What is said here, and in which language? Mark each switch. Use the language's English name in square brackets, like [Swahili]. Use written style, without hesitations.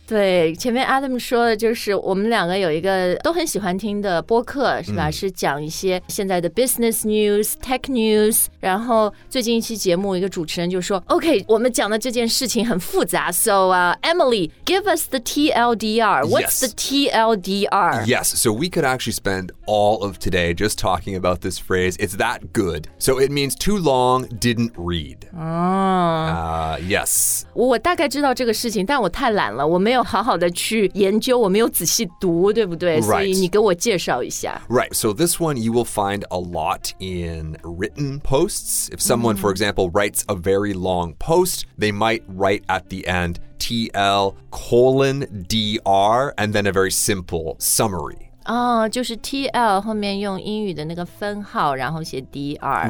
[Chinese] 对前面 Adam 说的就是我们两个有一个都很喜欢听的播客是吧、是讲一些现在的 [English] business news tech news [Chinese] 然后最近一期节目一个主持人就说 OK 我们讲的这件事情很复杂 [English] So Emily give us the TLDR What's、 yes. the TLDR? Yes so we could actually spend all of today just talking about this phrase It's that good So it means too long didn't read、Yes [Chinese] 我大概知道这个事情，但我太懒了，我没有好好的去研究，我没有仔细读，对不对？ [English] Right. [Chinese] 所以你给我介绍一下。 [English] Right, so this one you will find a lot in written posts. If someone, for example, writes a very long post, they might write at the end TL:DR and then a very simple summary. [Chinese] 就是 TL 后面用英语的那个分号然后写 DR